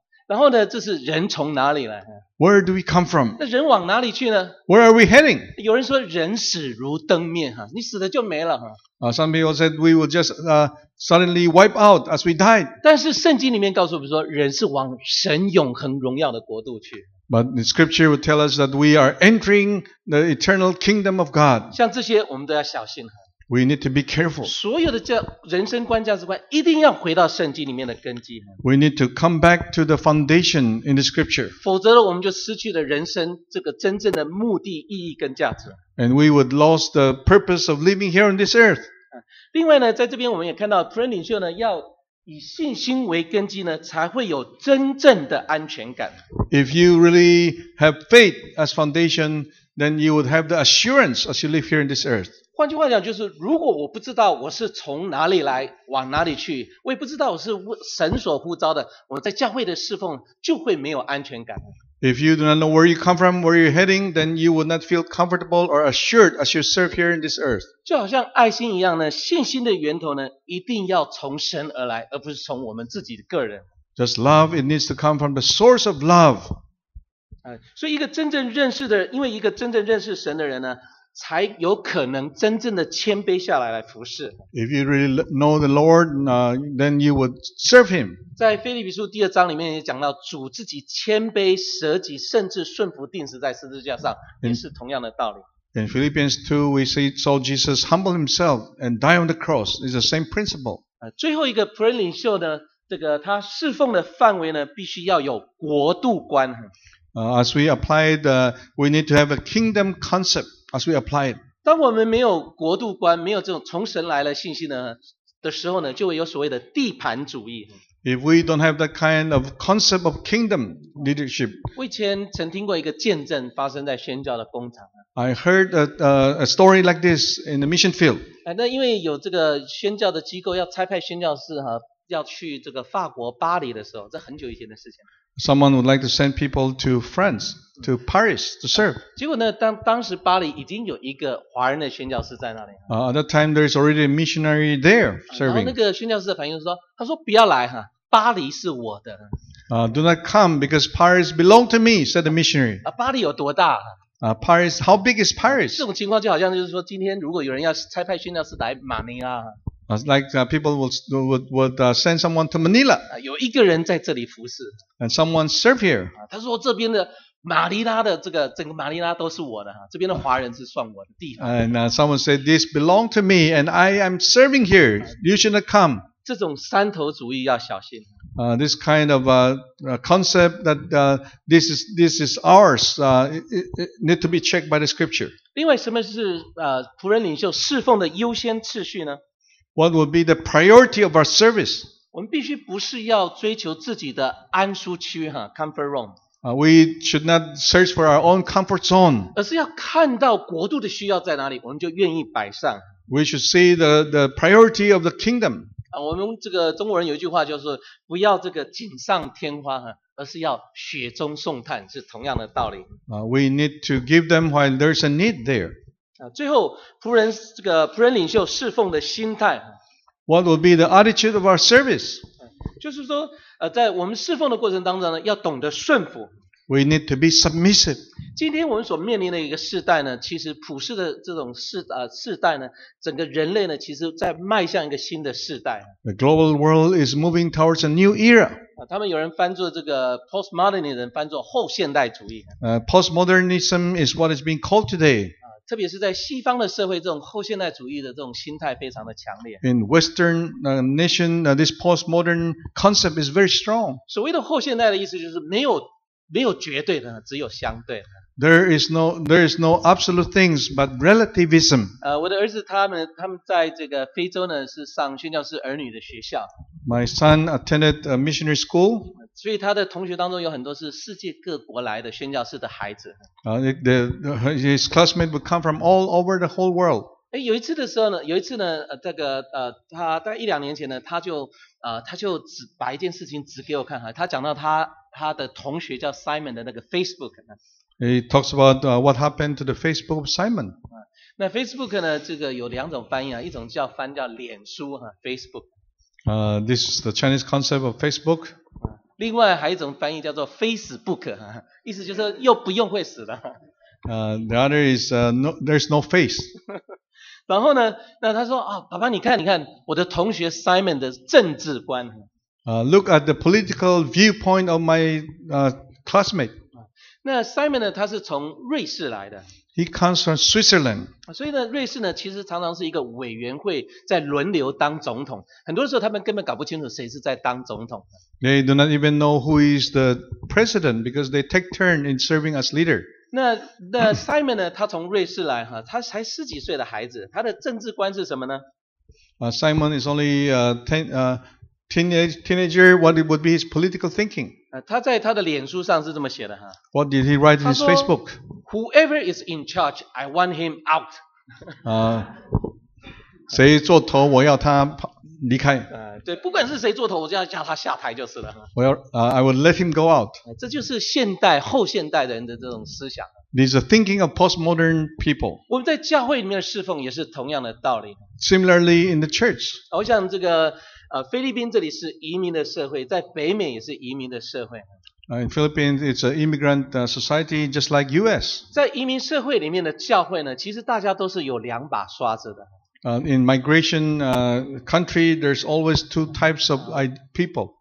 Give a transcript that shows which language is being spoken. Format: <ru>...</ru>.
<zh>然后呢，这是人从哪里来？</zh> <en>Where do we come from?</en> <zh>那人往哪里去呢？</zh> <en>Where are we heading?</en> <zh>有人说人死如灯灭，你死了就没了。</zh> <en>Some people said we will just suddenly wipe out as we died.</en> <zh>但是圣经里面告诉我们说人是往神永恒荣耀的国度去。</zh> <en>But the scripture will tell us that we are entering the eternal kingdom of God.</en> <zh>像这些我们都要小心。</zh> <en>We need to be careful.</en> <zh>所有的这人生观价值观一定要回到圣经里面的根基。</zh> <en>We need to come back to the foundation in the scripture.</en> <zh>否则我们就失去了人生这个真正的目的意义跟价值。</zh> <en>And we would lose the purpose of living here on this earth.</en> <zh>另外呢，在这边我们也看到福音领袖呢要以信心为根基呢，才会有真正的安全感。</zh> <en>If you really have faith as foundation, then you would have the assurance as you live here on this earth.</en> <zh>换句话讲，就是如果我不知道我是从哪里来往哪里去，我也不知道我是神所呼召的，我在教会的侍奉就会没有安全感。</zh> <en>If you do not know where you come from, where you're heading, then you would not feel comfortable or assured as you serve here in this earth.</en> <zh>就好像爱心一样呢，信心的源头呢，一定要从神而来，而不是从我们自己的个人。</zh> <en>Just love, it needs to come from the source of love.</en> <zh>所以一个真正认识的人，因为一个真正认识神的人呢。才有可能真正的谦卑下来来服侍。</zh> <en>If you really know the Lord, then you would serve Him.</en> <zh>在腓立比书第二章里面也讲到主自己谦卑舍己，甚至顺服钉死在十字架上，也是同样的道理。</zh> <en>In Philippians 2, we see saw Jesus humble Himself and die on the cross. It's the same principle.</en> <zh>最后一个仆人领袖呢，这个他侍奉的范围呢，必须要有国度观。</zh> <en>As we applied, we need to have a kingdom concept. As we apply it.</en> <zh>当我们没有国度观，没有这种从神来的信心呢的时候呢，就会有所谓的地盘主义。</zh> <en>If we don't have that kind of concept of kingdom leadership,</en> <zh>我以前曾听过一个见证发生在宣教的工厂。</zh> <en>I heard a story like this in the mission field.</en> <zh>那因为有这个宣教的机构要差派宣教士哈，要去这个法国巴黎的时候，这很久以前的事情。</zh> <en>Someone would like to send people to France, to Paris, to serve.</en> <zh>结果呢，当时巴黎已经有一个华人的宣教士在那里。</zh> <en>At that time, there is already a missionary there serving.</en> <zh>然后那个宣教士的反应是说，他说不要来哈，巴黎是我的。</zh> <en>Do not come because Paris belongs to me, said the missionary.</en> <zh>巴黎有多大？</zh> <en>Paris, how big is Paris?</en> <zh>这种情况就好像就是说，今天如果有人要差派宣教士来马尼拉。</zh> <en>Like people would send someone to Manila.</en> <zh>有一个人在这里服侍。</zh> <en>And someone serve here.</en> <zh>他说这边的马尼拉的这个整个马尼拉都是我的，这边的华人是算我的地方。</zh> <en>And someone said this belong to me, and I am serving here. You should not come.</en> <zh>这种三头主义要小心。</zh> <en>This kind of concept that this is ours need to be checked by the scripture.</en> <zh>另外，什么是仆人领袖侍奉的优先次序呢？</zh> <en>What would be the priority of our service?</en> <zh>我们必须不是要追求自己的安舒区哈 ，</zh> <en>comfort zone. We should not search for our own comfort zone.</en> <zh>而是要看到国度的需要在哪里，我们就愿意摆上。</zh> <en>We should see the priority of the kingdom.</en> <zh>我们这个中国人有一句话就是不要这个锦上添花哈，而是要雪中送炭，是同样的道理。</zh> <en>We need to give them while there's a need there.</en> <zh>最后仆人这个仆人领袖侍奉的心态。</zh> <en>What would be the attitude of our service?</en> <zh>就是说在我们侍奉的过程当中呢要懂得顺服。</zh> <en>We need to be submissive.</en> <zh>今天我们所面临的一个世代呢，其实普世的这种世代呢，整个人类呢，其实在迈向一个新的世代。</zh> <en>The global world is moving towards a new era.</en> <zh>他们有人翻作这个 postmodernism， 翻作后现代主义。</zh> <en>Postmodernism is what is being called today.</en> <zh>特别是在西方的社会，这种后现代主义的这种心态非常的强烈。</zh> <en>In Western nation, this postmodern concept is very strong.</en> <zh>所谓的后现代的意思就是没有绝对的，只有相对的。</zh> <en>There is no absolute things, but relativism.</en> <zh>我的儿子他们在这个非洲呢是上宣教士儿女的学校。</zh> <en>My son attended a missionary school.</en> <zh>所以他的同学当中有很多是世界各国来的宣教士的孩子。</zh> <en>His classmates would come from all over the whole world.</en> <zh>有一次呢，这个他大概一两年前呢，他就只把一件事情指给我看哈，他讲到他的同学叫 Simon 的那个 Facebook。</zh> <en>He talks about what happened to the Facebook of Simon。</en> <zh>那 Facebook 呢，这个有两种翻译啊，一种叫翻叫脸书啊 Facebook。</zh> <en>This is the Chinese concept of Facebook。</en> <zh>另外还有一种翻译叫做 Facebook 啊，意思就是又不用会死的。</zh> <en>The other is there's no face。</en> <zh>然后呢，那他说啊，爸爸你看我的同学 Simon 的政治观。</zh> <en>Look at the political viewpoint of my classmate.</en> <zh>那 Simon 呢，他是从瑞士来的。</zh> <en>He comes from Switzerland.</en> <zh>所以呢，瑞士呢，其实常常是一个委员会在轮流当总统。很多时候，他们根本搞不清楚谁是在当总统。</zh> <en>They do not even know who is the president because they take turn in serving as leader.</en> <zh>那 Simon 呢，他从瑞士来哈，他才十几岁的孩子，他的政治观是什么呢？</zh> <en>Simon is only teenager, what would be his political thinking?</en> <zh>他在他的脸书上是这么写的哈。</zh> <en>What did he write in his Facebook? Whoever is in charge, I want him out.</en> <zh>谁做头，我要他离开。对，不管是谁做头，我就要叫他下台就是了。</zh> <en>I would let him go out.</en> <zh>这就是现代后现代人的这种思想。</zh> <en>This is the thinking of postmodern people.</en> <zh>我们在教会里面侍奉也是同样的道理。</zh> <en>Similarly in the church.</en> <zh>我想这个。菲律宾这里是移民的社会，在北美也是移民的社会。</zh> <en>In Philippines, it's an immigrant society, just like U.S.</en> <zh>在移民社会里面的教会呢，其实大家都是有两把刷子的。</zh> <en>In migration country, there's always two types of people.</en>